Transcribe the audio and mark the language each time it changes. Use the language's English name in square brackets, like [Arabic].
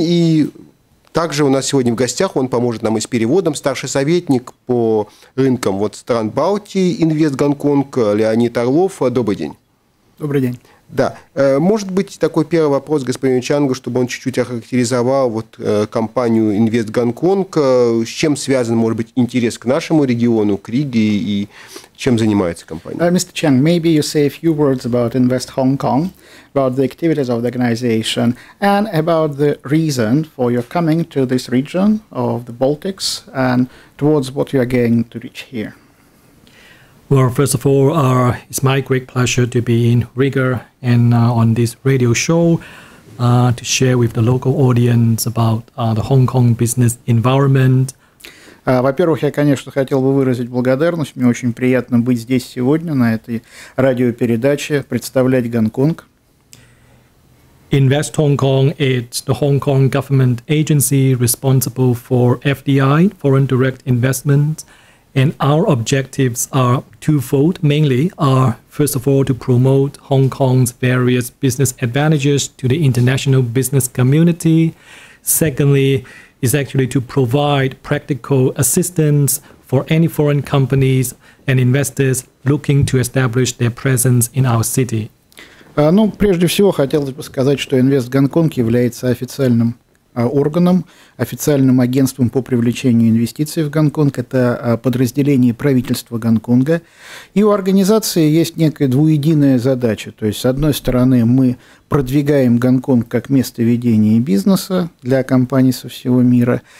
[Russian] И также у нас сегодня в гостях, он поможет нам и с переводом, старший советник по рынкам вот, стран Балтии Invest Hong Kong Леонид Орлов. Добрый день. Добрый день. Да. Может быть, такой первый вопрос господину Чангу, чтобы он чуть-чуть охарактеризовал вот компанию Invest Hong Kong. С чем связан, может быть, интерес к нашему региону, к Риге, и чем занимается компания? [English] Mr. Chang, maybe you say a few words about Invest Hong Kong, about the activities of the organization, and about the reason for your coming to this region of the Baltics, and towards what you are going to reach here. Well, first of all, it's my great pleasure to be in Riga and on this radio show to share with the local audience about the Hong Kong business environment. [Russian] Во-первых, я, конечно, хотел бы выразить благодарность. Мне очень приятно быть здесь сегодня на этой радиопередаче, представлять Гонконг. [English] Invest Hong Kong is the Hong Kong government agency responsible for FDI, foreign direct investment. And our objectives are twofold. Mainly, are first of all to promote Hong Kong's various business advantages to the international business community. Secondly, is actually to provide practical assistance for any foreign companies and investors looking to establish their presence in our city. [Russian] Ну, прежде всего, хотелось бы сказать, что Invest Hong Kong является официальным органом, официальным агентством по привлечению инвестиций в Гонконг. Это подразделение правительства Гонконга. И у организации есть некая двуединая задача. То есть, с одной стороны, мы продвигаем Гонконг как место ведения бизнеса для компаний со всего мира.